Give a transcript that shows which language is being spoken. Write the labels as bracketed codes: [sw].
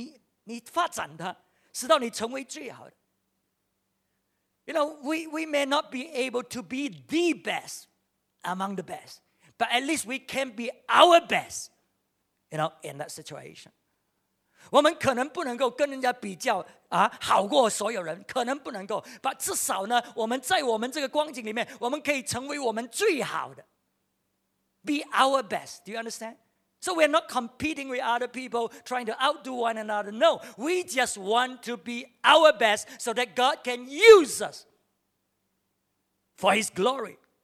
[zh] 你要成为最好的，在我们的那个方面啊，神给你的才干什么，你在那方面你发展它，直到你成为最好的。 [en] You know, we may not be able to be the best among the best, but at least we can be our best, you know, in that situation. [zh] 我们可能不能够跟人家比较啊，好过所有人，可能不能够， but 至少呢，我们在我们这个光景里面，我们可以成为我们最好的， be our best. [en] Do you understand? So we're not competing with other people, trying to outdo one another. No, we just want to be our best so that God can use us for His glory.